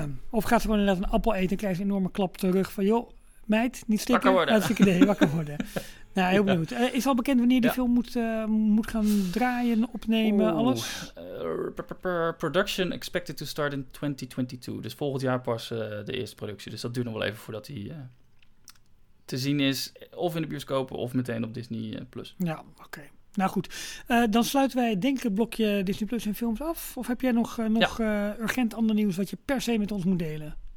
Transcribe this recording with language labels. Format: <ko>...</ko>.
<nl>Of gaat ze gewoon inderdaad een appel eten en krijgt ze een enorme klap terug van, joh, meid, niet stikken. Wakker worden. Nou, heel benieuwd. Is al bekend wanneer die film moet gaan draaien, opnemen, alles?</nl> <en>Production expected to start in 2022.</en> <nl>Dus volgend jaar pas de eerste productie. Dus dat duurt nog wel even voordat die te zien is. Of in de bioscopen of meteen op Disney Plus. Ja, oké. Okay. Nou goed, dan sluiten wij denk ik het blokje Disney Plus en films af. Of heb jij nog urgent ander nieuws wat je per se met ons moet delen?</nl>